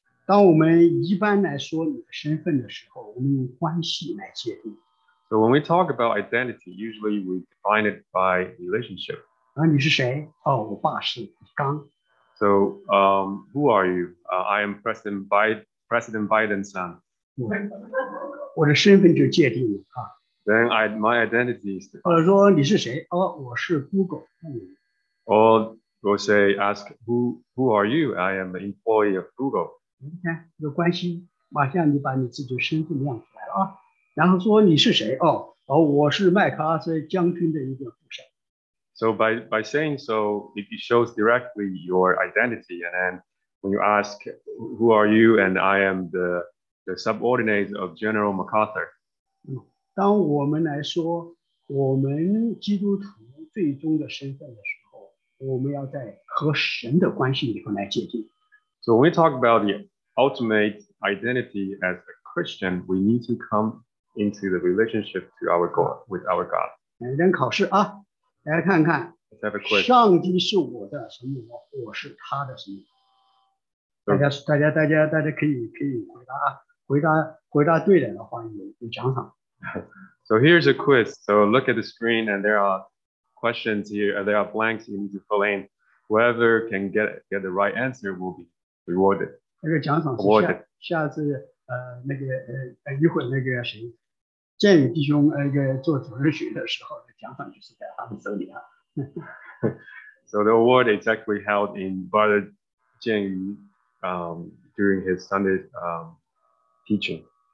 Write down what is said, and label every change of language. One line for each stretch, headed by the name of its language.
Chinese: 当我们一般来说你的身份的时候，我们用关系来界定。
English: So when we talk about identity, usually we define it by relationship.
Chinese: 啊，你是谁？哦，我爸是刚。
English: So, who are you? I am President Biden's son.
Chinese: 我的身份就界定了啊。
English: Then my identity is.
Chinese: 或者说你是谁？哦，我是 Google。
English: Or we'll say, ask who are you? I am an employee of Google.
Chinese: 你看有关系，马上你把你自己身份亮出来了啊，然后说你是谁哦？哦，我是麦克阿瑟将军的一个部下。
English: So by saying so, it shows directly your identity. And then when you ask who are you, and I am the subordinate of General MacArthur.、
Chinese: 当我们来说我们基督徒最终的身份的时候，我们要在和神的关系里头来界定。
English: So when we talk about the ultimate identity as a Christian, we need to come into the relationship to our God, with our God.
Chinese: 来人考试啊，来看看。
English: Let's have a quiz.
Chinese: 上帝是我的什么？我是他的什么？So, 大家可以回答啊，回答对了的话有奖赏。
English: So here's a quiz. So look at the screen, and there are questions here. There are blanks you need to fill in. Whoever can get the right answer will be. Rewarded.
Chinese: 那个奖赏是下次一会那个谁建宇弟兄做主日学的时候，奖赏就是在他们手里啊。
English: So the award is actually held in Brother 建宇during his Sunday teaching.